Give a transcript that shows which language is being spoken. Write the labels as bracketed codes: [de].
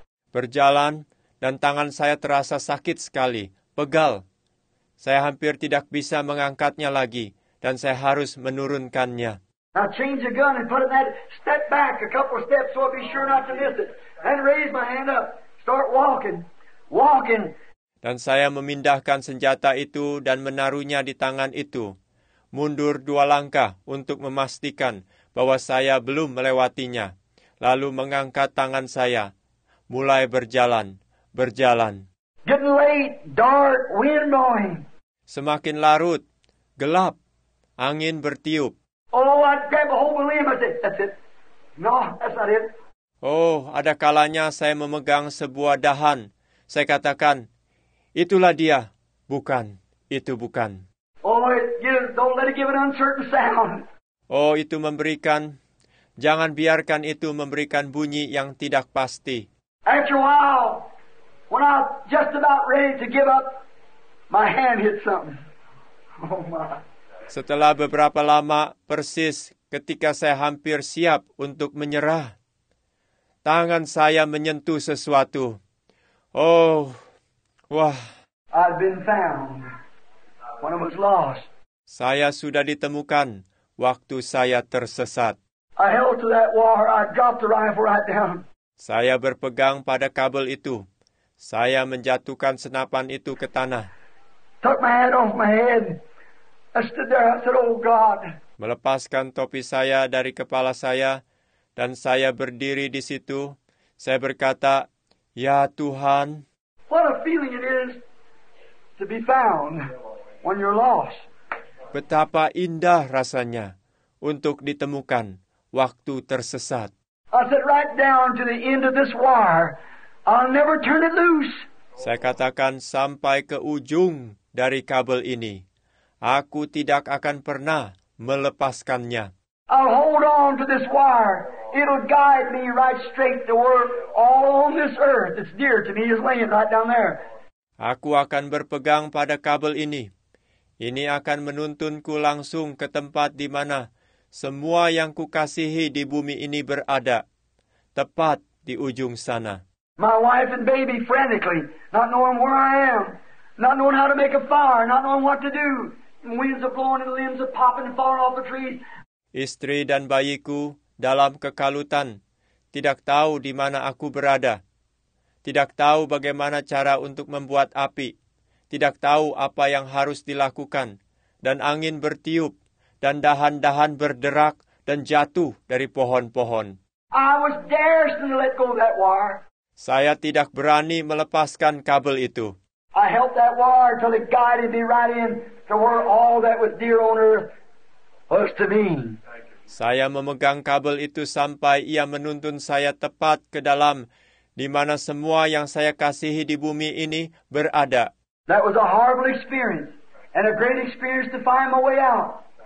[id] Berjalan dan tangan saya terasa sakit sekali, pegal. Saya hampir tidak bisa mengangkatnya lagi dan saya harus menurunkannya. [en] Now change the gun and put it in that step back a couple of steps so I'll be sure not to miss it. Then raise my hand up. Start walking. Walking. [id] Dan saya memindahkan senjata itu dan menaruhnya di tangan itu. Mundur dua langkah untuk memastikan bahwa saya belum melewatinya. Lalu mengangkat tangan saya. Mulai berjalan. Berjalan. [en] Getting late, dark, wind blowing. [id] Semakin larut. Gelap. Angin bertiup. [en] Oh, I'd grab a hold of him. I said, "That's it." No, that's not it. [id] Oh, ada kalanya saya memegang sebuah dahan. Saya katakan, "Itulah dia." Bukan, itu bukan. [en] Oh, don't let it give an uncertain sound. [id] Oh, itu memberikan. Jangan biarkan itu memberikan bunyi yang tidak pasti. [en] After a while, when I'm just about ready to give up, my hand hit something. Oh my. [id] Setelah beberapa lama, persis ketika saya hampir siap untuk menyerah, tangan saya menyentuh sesuatu. Oh, wah. [en] I've been found when I was lost. [id] Saya sudah ditemukan waktu saya tersesat. [en] I held to that wire. I dropped the rifle right down. [id] Saya berpegang pada kabel itu. Saya menjatuhkan senapan itu ke tanah. [en] Took my hand off my head. I stood there, I said, "Oh God." [id] Melepaskan topi saya dari kepala saya, dan saya berdiri di situ. Saya berkata, "Ya Tuhan." [en] What a feeling it is to be found when you're lost. [id] Betapa indah rasanya untuk ditemukan waktu tersesat. [en] I said, "Right down to the end of this wire, I'll never turn it loose." [id] Saya katakan sampai ke ujung dari kabel ini. Aku tidak akan pernah melepaskannya. [en] I'll hold on to this wire. It'll guide me right straight to where all on this earth that's dear to me is laying right down there. [id] Aku akan berpegang pada kabel ini. Ini akan menuntunku langsung ke tempat di mana semua yang kukasihi di bumi ini berada. Tepat di ujung sana. [en] My wife and baby frantically, not knowing where I am, not knowing how to make a fire, not knowing what to do. Winds are blowing and limbs are popping and falling off the trees. [id] Istri dan bayiku dalam kekalutan, tidak tahu di mana aku berada, tidak tahu bagaimana cara untuk membuat api, tidak tahu apa yang harus dilakukan, dan angin bertiup, dan dahan-dahan berderak dan jatuh dari pohon-pohon. [en] I was daring to let go of that wire. [id] Saya tidak berani melepaskan kabel itu. [en] I held that wire till it guided me right in. To where all that was dear on earth was to be. [id] Saya memegang kabel itu sampai ia menuntun saya tepat ke dalam di mana semua yang saya kasihi di bumi ini berada. [en] That was a horrible experience and a great experience to find my way out.